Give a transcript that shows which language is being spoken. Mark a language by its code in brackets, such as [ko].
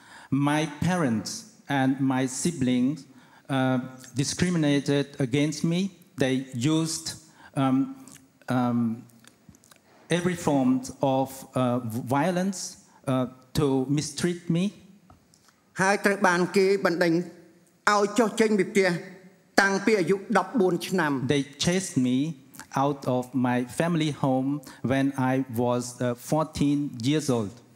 [en] My parents and my siblings discriminated against me. They used every form of violence to mistreat me. Hai trang ban kia bận đánh [km] ឲ្យចុះចេញពីផ្ទះតាំងពីអាយុ14ឆ្នាំ [en] They chased me out of my family home when I was 14 years old